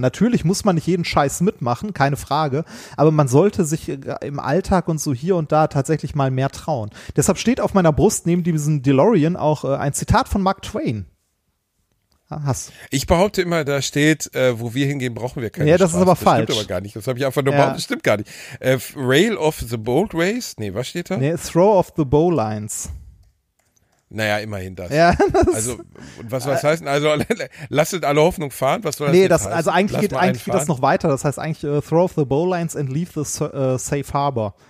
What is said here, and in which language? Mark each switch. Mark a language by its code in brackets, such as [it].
[de] Natürlich muss man nicht jeden Scheiß mitmachen, keine Frage, aber man sollte sich im Alltag und so hier und da tatsächlich mal mehr trauen. Deshalb steht auf meiner Brust neben diesem DeLorean auch ein Zitat von Mark Twain. Ich behaupte immer, da steht, wo wir hingehen, brauchen wir keine Straße. Ja, das ist aber falsch. Das stimmt aber gar nicht. Das habe ich einfach nur behauptet. Das stimmt gar nicht. [en] Rail of the boat race? [de] Nee, was steht da? Nee, [en] throw of the bowlines. [de] Naja, immerhin das. Ja, das also, was heißt denn? Also, lasst alle Hoffnung fahren? Was soll das jetzt heißen? Also eigentlich geht das noch weiter. Das heißt eigentlich, [en] throw off the bowlines and leave the safe harbor.